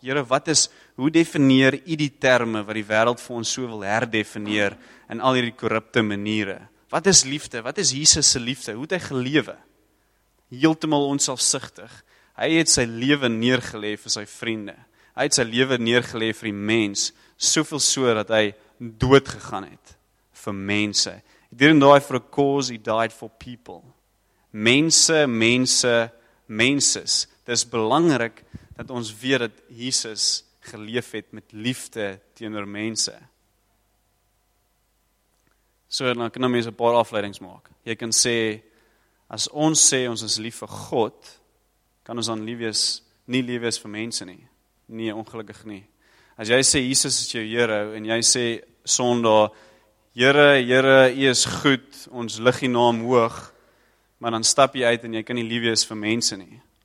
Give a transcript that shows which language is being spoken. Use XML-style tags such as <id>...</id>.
<af>Here, wat is, hoe definieer u die terme wat die wêreld vir ons so wil herdefinieer in al hierdie korrupte maniere? Wat is liefde? Wat is Jesus se liefde? Hoe het hy gelewe? Heeltemal onselfsugtig. Hy het sy lewe neergelê vir sy vriende. Hy het sy lewe neergelê vir die mens, soveel so dat hy dood gegaan het vir mense.</af> <en>He didn't die for a cause, he died for people.</en> <af>Mense. Dit is belangrik dat ons weet dat Jesus geleef het met liefde teenoor mense. So, dan kan nou mense 'n paar afleidings maak. Jy kan sê, as ons sê ons is lief vir God, kan ons dan lief wees, nie lief wees vir mense nie. Nee, ongelukkig nie. As jy sê, Jesus is jou Here, en jy sê, Sondag, Here, Here, U is goed, ons lig U naam hoog, maar dan stap jy uit en jy kan nie lief wees vir mense nie.</af>